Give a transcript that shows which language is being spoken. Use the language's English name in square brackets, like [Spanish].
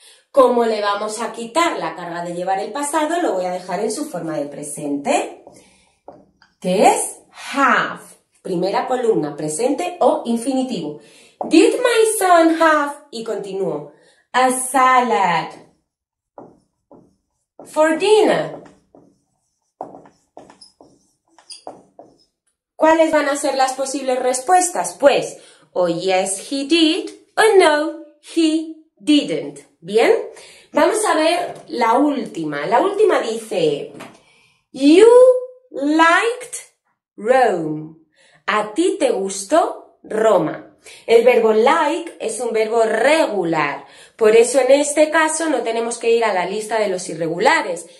[Spanish] Como le vamos a quitar la carga de llevar el pasado, lo voy a dejar en su forma de presente, que es have, primera columna, presente o infinitivo. [English] Did my son have, [Spanish] y continúo, [English] a salad for dinner. [Spanish] ¿Cuáles van a ser las posibles respuestas? Pues, o [English] yes, he did, o no, he didn't. [Spanish] Bien, vamos a ver la última. La última dice, [English] you liked Rome. [Spanish] A ti te gustó Roma. El verbo like es un verbo regular. Por eso en este caso no tenemos que ir a la lista de los irregulares.